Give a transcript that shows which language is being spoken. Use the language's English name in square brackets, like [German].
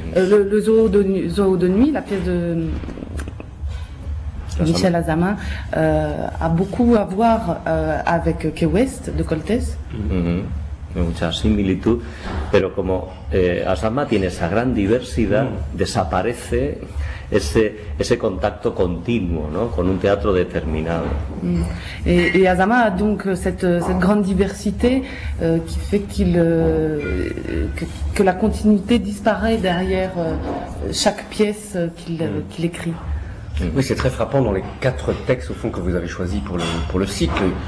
[French] Le zoo de nuit, la pièce de Michel Azama a beaucoup à voir avec Key West de Coltés. Mm-hmm. [Spanish] Mucha similitud, pero como Azama tiene esa gran diversidad, desaparece ese contacto continuo, ¿no? Con un teatro determinado. [French] Y Azama a donc cette grande diversité qui fait que la continuité disparaît derrière chaque pièce qu'il écrit. Oui, c'est très frappant dans les quatre textes au fond que vous avez choisis pour le cycle.